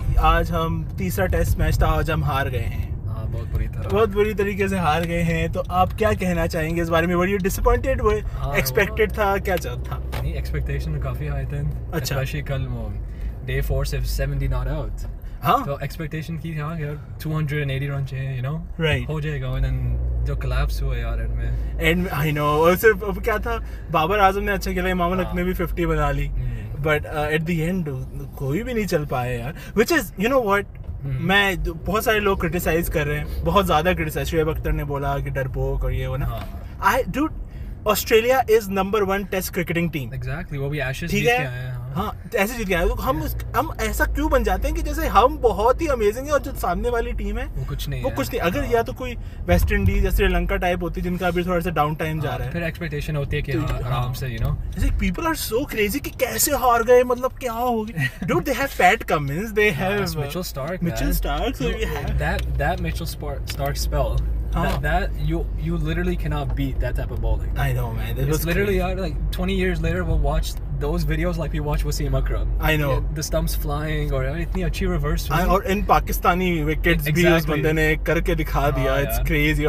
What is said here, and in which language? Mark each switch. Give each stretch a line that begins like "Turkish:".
Hindi: आज हम तीसरा टेस्ट मैच था, आज हम हार गए हैं. बहुत बुरी तरीके से हार गए हैं. तो आप क्या कहना चाहेंगे इस बारे में?
English: Were you disappointed?
Hindi: Expected था, क्या चाहता था? नहीं, expectation काफी high थे. अच्छा.
English: Especially कल वो day 4 से 70 not out.
Hindi: हाँ. तो expectation की था यार 280 run चाहिए,
English: you know. Right.
Hindi: हो जाएगा.
English: And then
Hindi: जो collapse हुआ यार end में. End,
English: I know.
Hindi: और सिर्फ अब क्या था? बाबर आजम ने अच्छा खेला, इमामुल हक ने भी 50 बना ली.
English: But at the end
Hindi: कोई भी नहीं चल पाया यार.
English: Which is, you know what?
Hindi: मैं बहुत सारे लोग क्रिटिसाइज कर रहे हैं, बहुत ज्यादा क्रिटिसाइज. शुएब अख्तर ने बोला कि डरपोक और ये वो ना.
English: I dude, Australia is number one test cricketing team.
Hindi: Exactly, वो भी एशेज जीत के आए हैं. हां, ऐसे जीत के आए. तो हम हम ऐसा क्यों बन जाते हैं कि जैसे हम बहुत ही अमेजिंग है और जो सामने वाली टीम है वो कुछ नहीं, वो कुछ नहीं. अगर या तो कोई वेस्ट इंडीज या श्रीलंका टाइप होती जिनका अभी थोड़ा सा डाउन टाइम जा रहा है, फिर एक्सपेक्टेशन होती है कि आराम से,
English: You know. People are so crazy
Hindi: कि कैसे हार गए, मतलब क्या हो गया.
English: Dude, they have Pat Cummins, they have Mitchell Starc. That Mitchell Starc spell. That you literally cannot beat that type of bowling. I know, man. This it's literally hard, like 20 years later, we'll watch those videos like we watch Wasim Akram. I know. Yeah, the stumps flying or
Hindi: itni achi
English: reverse. I, or in Pakistani wickets, exactly.
Hindi: Bhi us bande ne karke dikha diya.
English: It's crazy.